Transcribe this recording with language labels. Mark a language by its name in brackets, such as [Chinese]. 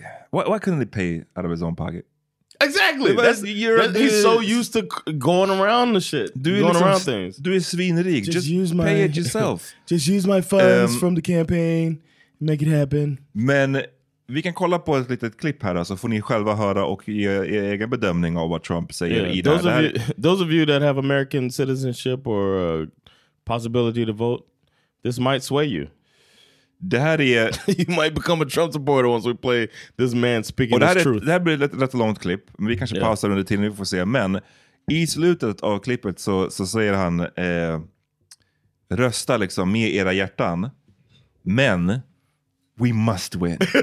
[English] Why couldn't they pay out of his own pocket? Exactly. He's so used to going around the shit. Do his svinrig. Just pay it yourself. Just use my funds from the campaign. Make it happen. [Swedish] Men vi kan kolla på ett litet klipp här då, så får ni själva höra och ge er egen bedömning av vad Trump säger i det här. [English] Those of you that have American citizenship or possibility to vote, this might sway you. [Swedish] Det här är [English] you might become a Trump supporter once we play this man speaking his truth. [Swedish] Det här blir ett rätt långt klipp, men vi kanske pausar under tiden, vi får se. Men i slutet av klippet så säger han rösta liksom med era hjärtan, men [English] we must win.